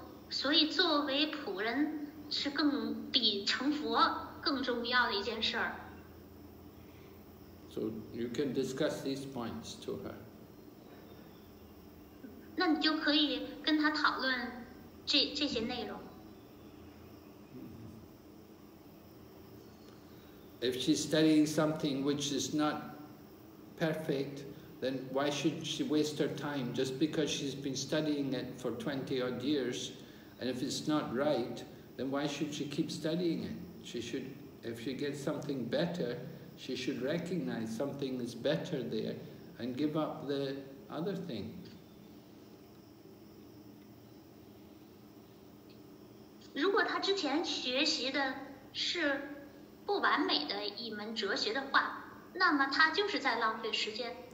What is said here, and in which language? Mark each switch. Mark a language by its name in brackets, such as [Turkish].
[Chinese] 所以作为仆人是更比成佛更重要的一件事。 [English] So you can discuss these points to her. [Chinese] 那你就可以跟她讨论这些内容。 [English] If she's studying something which is not perfect, then why should she waste her time? Just because she's been studying it for 20 odd years, and if it's not right, then why should she keep studying it? If she gets something better, she should recognize something is better there and give up the other thing. [Chinese] 如果她只前学习的是不完美的一门哲学的话，那么他就是在浪费时间。